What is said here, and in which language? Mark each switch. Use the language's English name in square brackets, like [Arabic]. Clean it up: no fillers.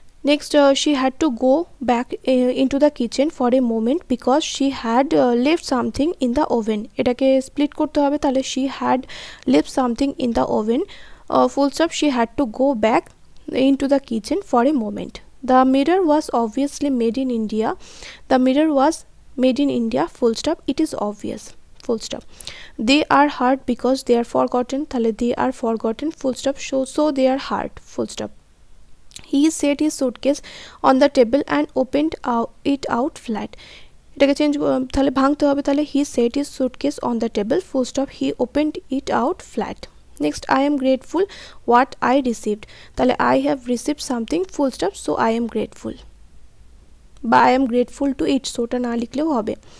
[English] next, she had to go back into the kitchen for a moment because she had left something in the oven, [Bangla] এটাকে split করতে হবে, তাহলে [English] She had left something in the oven full stop, she had to go back into the kitchen for a moment. The mirror was obviously made in India, the mirror was made in India [Bangla] full stop, [English] It is obvious full stop. They are hurt because they are forgotten, [Bangla] তাহলে [English] They are forgotten full stop, so they are hurt full stop. He set his suitcase on the table and opened it out flat. [Bangla] এটাকে change তাহলে ভাঙতে হবে, তাহলে [English] He set is suitcase on the table full stop, he opened it out flat. Next, I am grateful what I received, [Bangla] তাহলে [English] I have received something full stop, so I am grateful, [Bangla] বা [English] I am grateful to it, [Bangla] সোটা না লিখলেও হবে।